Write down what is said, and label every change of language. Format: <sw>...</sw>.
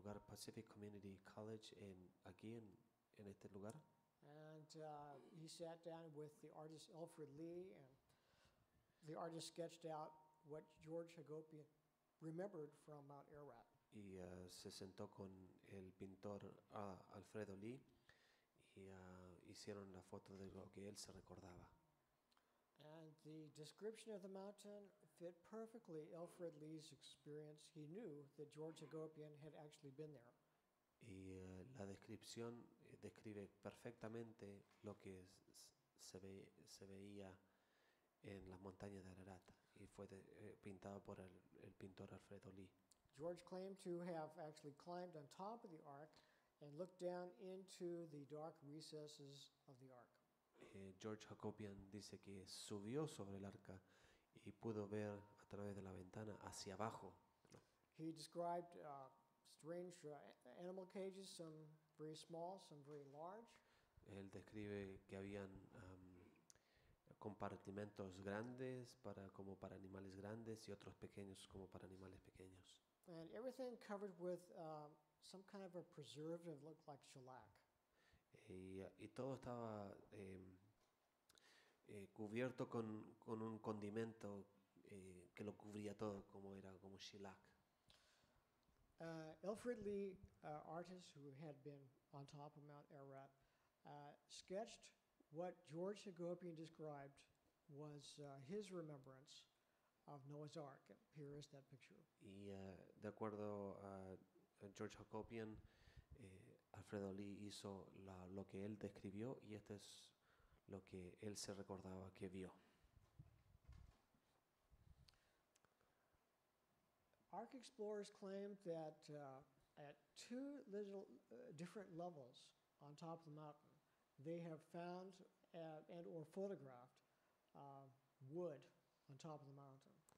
<es>Pacific Community College in aquí en en este lugar.</es> <en>And he sat down with the artist Alfred Lee, and the artist sketched out what George Hagopian remembered from Mount Ararat.</en> <es>Y se sentó con el pintor Alfredo Lee y hicieron la foto de lo que él se recordaba.</es> <en>And the description of the mountain fit perfectly Alfred Lee's experience. He knew that George Hagopian had actually been there.</en> <es>Y la descripción describe perfectamente lo que se veía en las montañas de Ararat y fue pintado por el pintor Alfredo Lee.</es> <en>George claimed to have actually climbed on top of the Ark and looked down into the dark recesses of the Ark.</en> <es>George Hagopian dice que subió sobre el arca y pudo ver a través de la ventana hacia abajo.</es> <en>He described strange animal cages, some very small, some very large.</en> <es>Él describe que habían compartimentos grandes para como para animales grandes y otros pequeños como para animales pequeños.</es> <en>And everything covered with some kind of a preservative, looked like shellac.</en> <es>Y todo estaba cubierto con un condimento que lo cubría todo, como era como shellac.</es> <en>Alfred Lee, artist who had been on top of Mount Ararat, sketched what George Hagopian described was his remembrance of Noah's Ark. And here is that picture.</en> <es>Y de acuerdo a George Hagopian, Alfredo Lee hizo lo que él describió y esto es lo que él se recordaba que vio.</es> <en>Ark explorers claimed that at two little different levels on top of the mountain, they have found and or photographed wood on top of the mountain.</en>